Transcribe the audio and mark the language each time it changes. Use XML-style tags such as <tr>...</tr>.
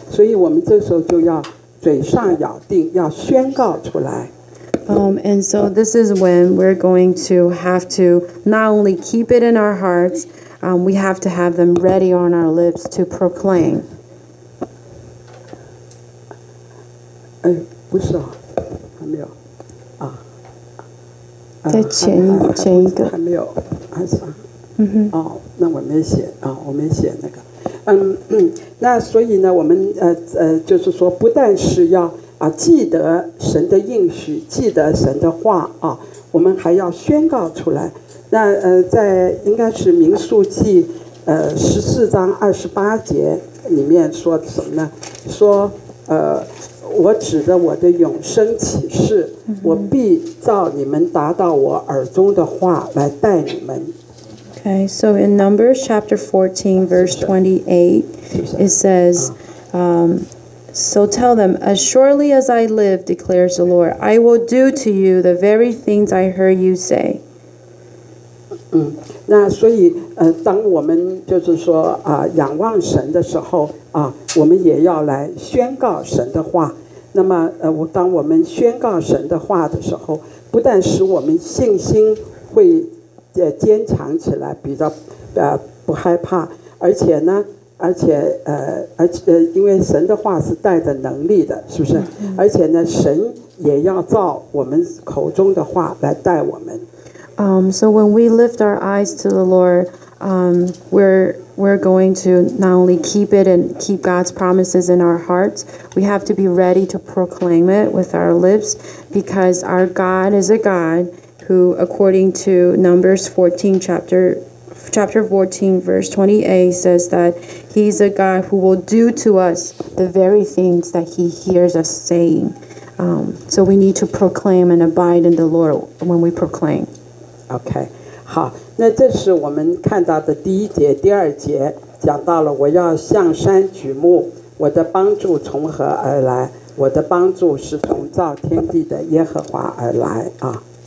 <zh>所以我们这时候就要嘴上咬定，要宣告出来。</zh> <en>And so this is when we're going to have to not only keep it in our hearts, we have to have them ready on our lips to proclaim.</en> <zh>哎，不是啊，还没有啊。在前一个还没有，还是啊。嗯哦，那我没写啊，我没写那个。那所以呢，我们就是说，不但是要。啊，记得神的应许，记得神的话啊，我们还要宣告出来。那在应该是民数记14:28里面说什么呢？说我指着我的永生启示，我必照你们达到我耳中的话来带你们。</zh> <en>Okay, so in Numbers chapter 14:28, it says, So tell them, as surely as I live, declares the Lord, I will do to you the very things I heard you say.</en> <zh>那所以当我们就是说仰望神的时候啊，我们也要来宣告神的话。那么当我们宣告神的话的时候，不但使我们信心会坚强起来，比较不害怕，而且呢。而且因为神的话是带着能力的，是不是？而且呢，神也要照我们口中的话来带我们。</zh> <en>So when we lift our eyes to the Lord, we're going to not only keep it and keep God's promises in our hearts, we have to be ready to proclaim it with our lips, because our God is a God who, according to Numbers 14 chapter 14 verse 28 says that he's a God who will do to us the very things that he hears us saying. So we need to proclaim and abide in the Lord when we proclaim. Okay.</en> <zh>好，那这是我们看到的第一节，第二节讲到了我要向山举目，我的帮助从何而来？我的帮助是从造天地的耶和华而来啊。</zh>